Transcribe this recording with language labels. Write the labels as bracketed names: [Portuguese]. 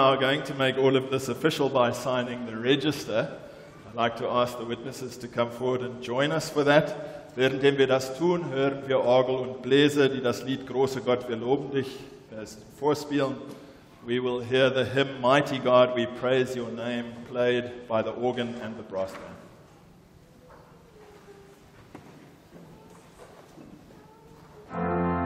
[English] Official by signing the register. I'd like to ask the witnesses to come forward and join us for that. [German] Währenddem wir das tun, hören wir Orgel und Bläser, die das Lied Großer Gott, wir loben dich, vorspielen. [English] We will hear the hymn Mighty God, we praise your name, played by the organ and the brass band. Thank you.